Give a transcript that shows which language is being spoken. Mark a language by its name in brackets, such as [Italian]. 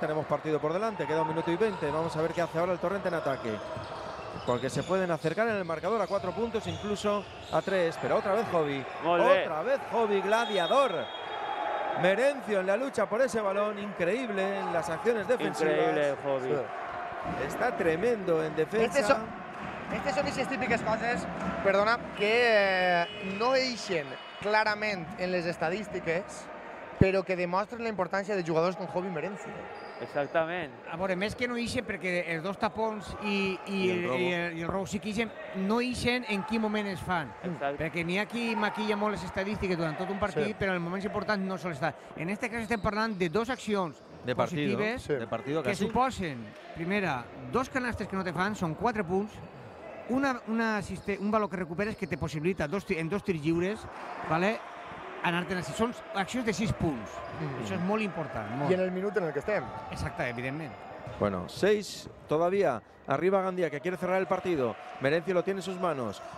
[Spanish] Tenemos partido por delante, queda 1:20. Vamos a ver qué hace ahora el Torrent en ataque, porque se pueden acercar en el marcador a 4 puntos, incluso a 3, pero otra vez Hobby. Otra vez Hobby, gladiador. Merencio en la lucha por ese balón, increíble en las acciones defensivas. Increíble, Hobby. Está tremendo en defensa. [Catalan] Aquestes són aquestes típiques coses, perdona, que no eixen clarament en les estadístiques, però que demostren la importància de jugadors com Hobby Merenzi. Exactament. A veure, més que no eixen, perquè els dos tapons i el robo sí que eixen, no eixen en quin moment es fan. Exacte. Perquè n'hi ha qui maquilla molt les estadístiques durant tot un partit, sí, però en moments importants no sol estar. En aquest cas estem parlant de dues accions de positives [Spanish] de partido, [Catalan] que suposen, primera, dos canastres que no te fan, són 4 punts, un valor que recuperes que te possibilita en dos tirs lliures, vale, anar-te'n així. Són accions de 6 punts. Mm. Això és molt important. I en el minut en el que estem. Exacte, evidentment. [Spanish] Bueno, 6 todavía. Arriba Gandía, que quiere cerrar el partido. Merencio lo tiene en sus manos.